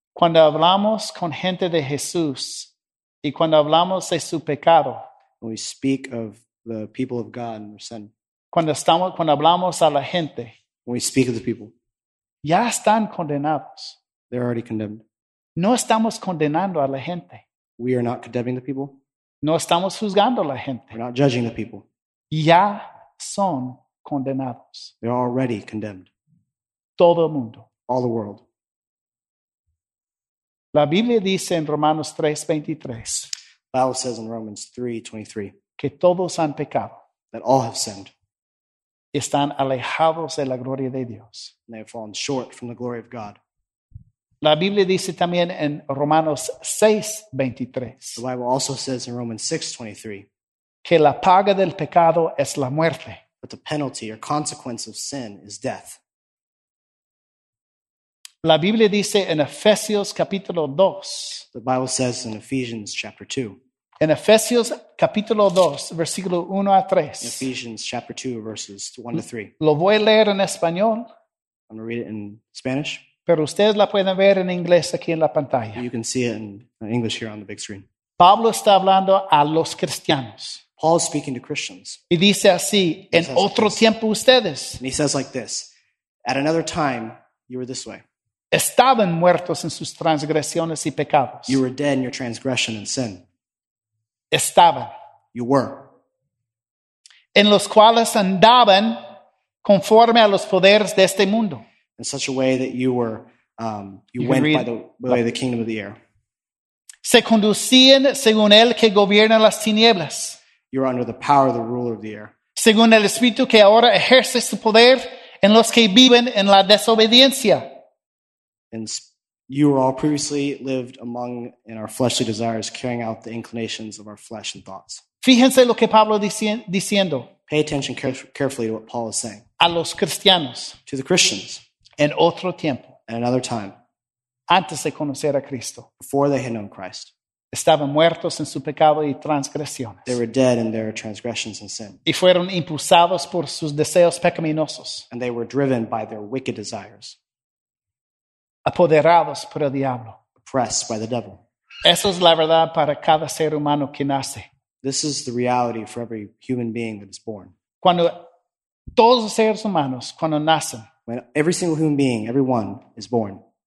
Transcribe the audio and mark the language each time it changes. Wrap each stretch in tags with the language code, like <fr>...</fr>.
<es>Cuando hablamos con gente de Jesús y cuando hablamos de su pecado.</es> <en>When we speak of the people of God and their sin.</en> <es>Cuando hablamos a la gente.</es> <en>When we speak of the people.</en> <es>Ya están condenados.</es> <en>They're already condemned.</en> <es>No estamos condenando a la gente.</es> <en>We are not condemning the people.</en> <es>No estamos juzgando a la gente.</es> <en>We're not judging the people.</en> <es>Ya son condenados.</es> <en>They're already condemned.</en> <es>Todo el mundo.</es> <en>All the world.</en> <es>La Biblia dice en Romanos 3:23.</es> <en>The Bible says in Romans 3:23.</en> <es>Que todos han pecado.</es> <en>That all have sinned.</en> <es>Están alejados de la gloria de Dios.</es> <en>And they have fallen short from the glory of God.</en> <es>La Biblia dice también en Romanos 6:23.</es> <en>The Bible also says in Romans 6:23.</en> <es>Que la paga del pecado es la muerte.</es> <en>But the penalty or consequence of sin is death.</en> <es>La Biblia dice en Efesios capítulo 2.</es> <en>The Bible says in Ephesians chapter 2.</en> <es>En Efesios capítulo 2, versículo 1 a 3.</es> <en>In Ephesians chapter 2, verses 1 to 3.</en> <es>Lo voy a leer en español.</es> <en>I'm going to read it in Spanish.</en> <es>Pero ustedes la pueden ver en inglés aquí en la pantalla.</es> <en>You can see it in English here on the big screen.</en> <es>Pablo está hablando a los cristianos.</es> <en>Paul is speaking to Christians.</en> <es>Y dice así, en otro tiempo ustedes.</es> <en>And he says like this, at another time, you were this way.</en> <es>Estaban muertos en sus transgresiones y pecados.</es> <en>You were dead in your transgression and sin.</en> <es>Estaban.</es> <en>You were.</en> <es>En los cuales andaban conforme a los poderes de este mundo.</es> <en>In such a way that you were, you went by the kingdom of the air.</en> <es>Se conducían según el que gobierna las tinieblas.</es> <en>You're under the power of the ruler of the air.</en> <es>Según el espíritu que ahora ejerce su poder en los que viven en la desobediencia.</es> <en>And you were all previously lived among in our fleshly desires, carrying out the inclinations of our flesh and thoughts.</en> <es>Fíjense lo que Pablo diciendo.</es> <en>Pay attention carefully to what Paul is saying.</en> <es>A los cristianos.</es> <en>To the Christians.</en> <es>En otro tiempo.</es> <en>At another time.</en> <es>Antes de conocer a Cristo.</es> <en>Before they had known Christ.</en> <es>Estaban muertos en su pecado y transgresiones.</es> <en>They were dead in their transgressions and sin.</en> <es>Y fueron impulsados por sus deseos pecaminosos.</es> <en>And they were driven by their wicked desires.</en> <es>Apoderados por el diablo.</es> <en>Oppressed by the devil.</en> <es>Esa es la verdad para cada ser humano que nace.</es> <en>This is the reality for every human being that is born.</en> <es>Cuando todos los seres humanos, cuando nacen,</es> <en>when every single human being, everyone, is born.</en>